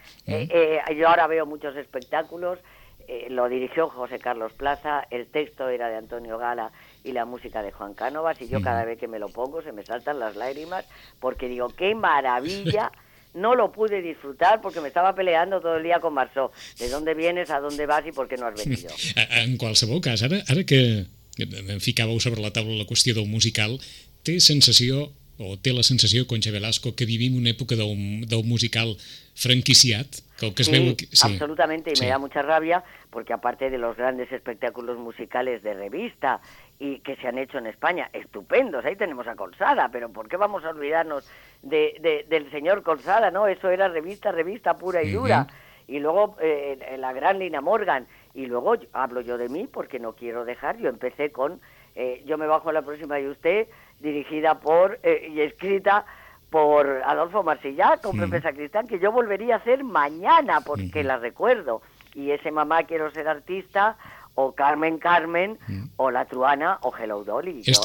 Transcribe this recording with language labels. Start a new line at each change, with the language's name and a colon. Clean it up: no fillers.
Spanish: Yo ahora veo muchos espectáculos, lo dirigió José Carlos Plaza, el texto era de Antonio Gala y la música de Juan Cánovas, y yo cada vez que me lo pongo se me saltan las lágrimas, porque digo, ¡qué maravilla! No lo pude disfrutar porque me estaba peleando todo el día con Marzó. ¿De dónde vienes, a dónde vas y por qué no has venido?
Catalan: En qualsevol cas, ara que em ficàveu sobre la taula la qüestió del musical, té sensació, o té la sensació, Concha Velasco, que vivim una època del musical franquiciat? Absolutament, i
Spanish: me da mucha ràbia,
Catalan: perquè a part
Spanish: de los grandes espectáculos musicales de revista y que se han hecho en España, estupendos, ahí tenemos a Colsada, pero ¿por qué vamos a olvidarnos del señor Colsada, no? Eso era revista pura y dura. Y luego la gran Lina Morgan, y luego hablo yo de mí porque no quiero dejar, yo empecé con Yo me bajo a la próxima y usted, dirigida por y escrita por Adolfo Marsillá, con Pepe Sacristán, que yo volvería a hacer mañana, porque la recuerdo, y ese Mamá quiero ser artista, o Carmen, o La Truana, o Hello Dolly.